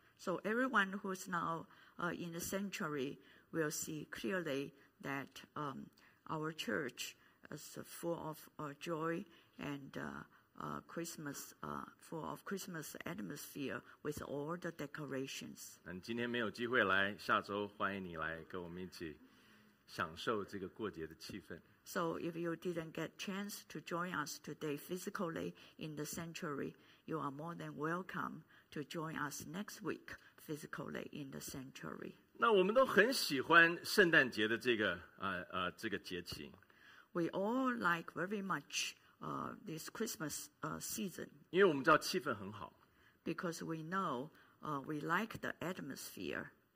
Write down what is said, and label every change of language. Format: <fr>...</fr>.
<en>So everyone who's now in the sanctuary will see clearly that our church is full of joy and. Christmas, full of Christmas atmosphere with all the decorations.</en> <zh>今天没有机会来，下周欢迎你来跟我们一起享受这个过节的气氛。</zh> <en>So if you didn't get chance to join us today physically in the sanctuary, you are more than welcome to join us next week physically in the sanctuary.</en> <zh>那我们都很喜欢圣诞节的这个节气。</zh> <en>We all like very much. This Christmas season.</en> <zh>因为我们知道气氛很好。</zh> <en>Because we know, we like the atmosphere.</en>